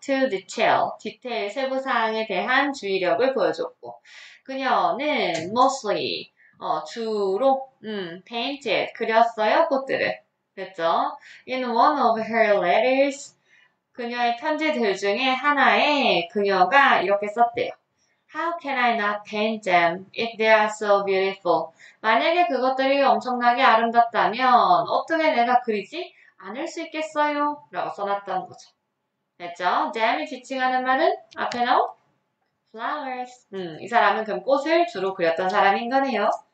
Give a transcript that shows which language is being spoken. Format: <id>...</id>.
<en>to detail,</en> <ko>디테일 세부사항에 대한 주의력을 보여줬고 그녀는 mostly, 주로 painted, 그렸어요, 꽃들을. 됐죠?</ko> <en>In one of her letters,</en> <ko>그녀의 편지들 중에 하나에 그녀가 이렇게 썼대요.</ko> <en>How can I not paint them if they are so beautiful?</en> <ko>만약에 그것들이 엄청나게 아름답다면 어떻게 내가 그리지 않을 수 있겠어요? 라고 써놨던 거죠. 됐죠? Damn이 지칭하는 말은 앞에 나온</ko> <en>flowers.</en> <ko>이 사람은 그럼 꽃을 주로 그렸던 사람인 거네요.</ko>